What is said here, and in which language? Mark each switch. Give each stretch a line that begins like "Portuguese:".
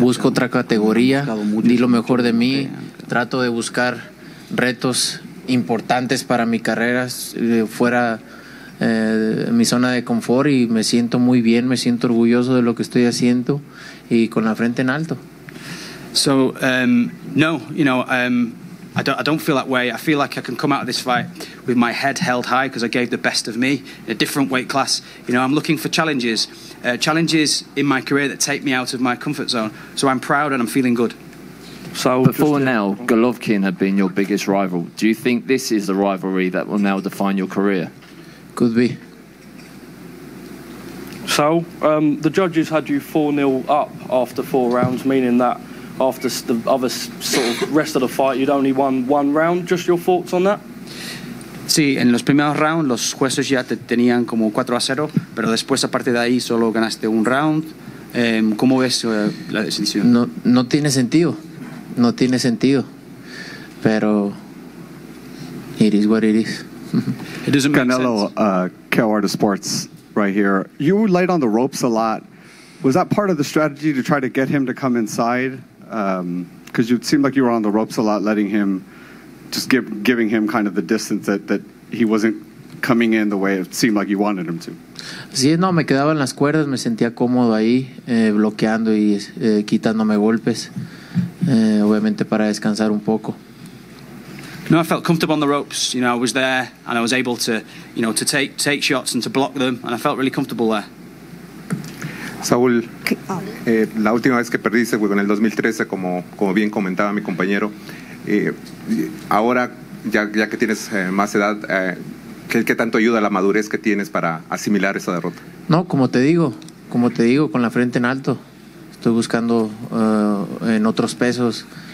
Spanish: Busco otra categoría, di lo mejor de mí. Trato de buscar retos importantes para mi carrera fuera de mi zona de confort, y me siento muy bien, me siento orgulloso de lo que estoy haciendo y con la frente en alto.
English: So, I don't feel that way. I feel like I can come out of this fight with my head held high because I gave the best of me in a different weight class. You know, I'm looking for challenges. Challenges in my career that take me out of my comfort zone. So I'm proud and I'm feeling good. So before now, Golovkin had been your biggest rival. Do you think this is the rivalry that will now define your career? Could be. So, the judges had you 4-0 up after four rounds, meaning that after the other sort of rest of the fight, you'd only won one round. Just your thoughts on that?
Spanish: Sí, en los primeros rounds los jueces ya te tenían como 4-0, pero después a partir de ahí solo ganaste un round. ¿Cómo ves la decisión? No tiene sentido. No tiene sentido. Pero
English: it is what it is. It doesn't make Canelo, sense. Canelo, Cowart of Sports, right here. You were light on the ropes a lot. Was that part of the strategy to try to get him to come inside? Because you seemed like you were on the ropes a lot, letting him, just giving him kind of the distance that he wasn't coming in the way it seemed like you wanted him to.
Spanish: Sí, no, me quedaba en las cuerdas, me sentía cómodo ahí, bloqueando y quitándome golpes, obviamente para descansar un poco.
English: No, I felt comfortable on the ropes. You know, I was there and I was able to, you know, to take shots and to block them, and I felt really comfortable there.
Spanish: Saúl, la última vez que perdiste fue en el 2013, como bien comentaba mi compañero. Ahora, ya que tienes más edad, ¿qué tanto ayuda la madurez que tienes para asimilar esa derrota? No, como te digo, con la frente en alto. Estoy buscando en otros pesos.